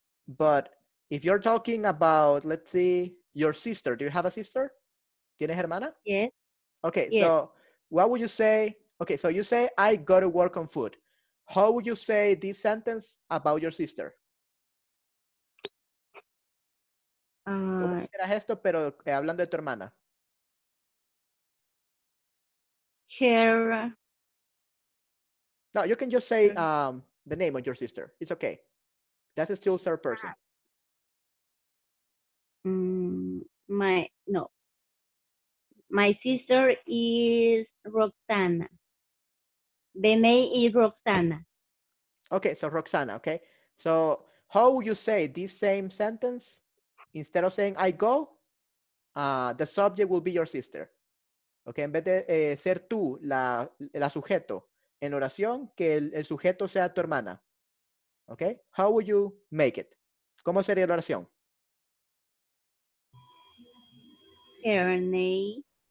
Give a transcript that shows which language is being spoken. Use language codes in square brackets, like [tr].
[en] But if you're talking about, let's see, your sister. Do you have a sister? [es] ¿Tienes hermana? [en] Yes. Okay. Yes. So what would you say? Okay. So you say I go to work on food. How would you say this sentence about your sister? [es] ¿Cómo era esto, pero hablando de tu hermana? [en] Here. No, you can just say the name of your sister. It's okay. That's still third person. My sister is Roxana. The name is Roxana. Okay, so Roxana, okay. So how would you say this same sentence? Instead of saying I go, the subject will be your sister. [es] Okay, en vez de ser tú la sujeto en oración, que el sujeto sea tu hermana. [en] Okay, how would you make it? [es] ¿Cómo sería la oración? [en] Her name.